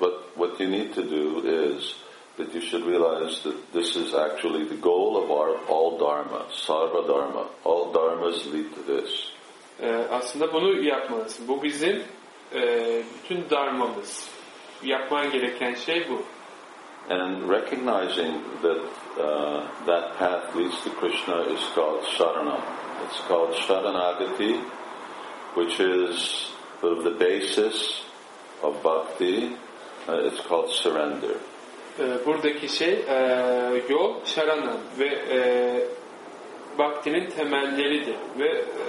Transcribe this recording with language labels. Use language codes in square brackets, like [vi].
[en] But what you need to do is that you should realize that this is actually the goal of our all dharma, sarva dharma. All dharmas lead to this. [tr] Aslında bunu yapmalısın. Bu bizim bütün dharmamız. Yapman gereken şey bu. [en] And recognizing that that path leads to Krishna is called saranam. It's called saranagati, which is sort of the basis of bhakti. It's called surrender. [tr] Buradaki şey yol şaranam ve bhakti'nin temelleridir ve